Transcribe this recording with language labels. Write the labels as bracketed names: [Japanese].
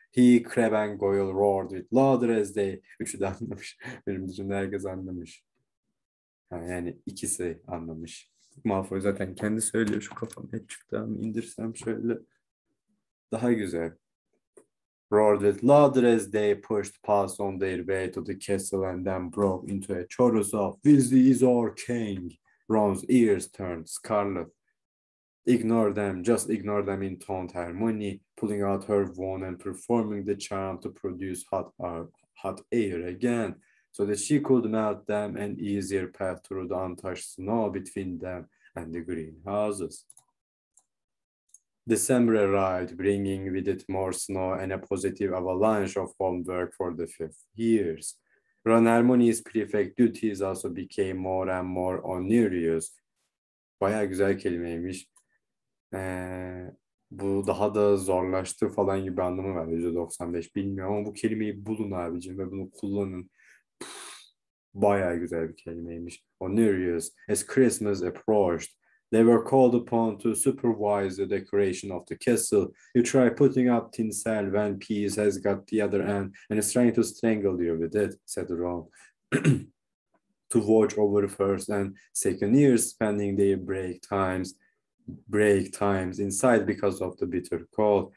[English] He, Crabbe and Goyle roared with louder as they. [Turkish] Üçü de anlamış. Benim dışında herkes anlamış. Yani ikisi anlamış. Malfoy zaten kendi söylüyor. Şu kafamı hep çıktığımı indirsem şöyle. Daha güzel. [English] Roared with louder as they pushed past on their way to the castle and then broke into a chorus of Weasley is our king. Ron's ears turned scarlet. Ignore them, just ignore them, intoned Hermione, pulling out her wand and performing the charm to produce hot air again, so that she could melt them an easier path through the untouched snow between them and the greenhouses. December arrived, bringing with it more snow and a positive avalanche of homework for the 5 years. Ron Hermione's prefect duties also became more and more onerous. [Turkish] Bayağı güzel kelimeymiş. Bu daha da zorlaştı falan gibi anlamı var. %95 bilmiyorum ama bu kelimeyi bulun abicim ve bunu kullanın. Bayağı güzel bir kelimeymiş. [English] Onerous. As Christmas approached, they were called upon to supervise the decoration of the castle. You try putting up tinsel when peace has got the other end and is trying to strangle you with it, said Ron. To watch over first and second years spending their break times inside because of the bitter cold.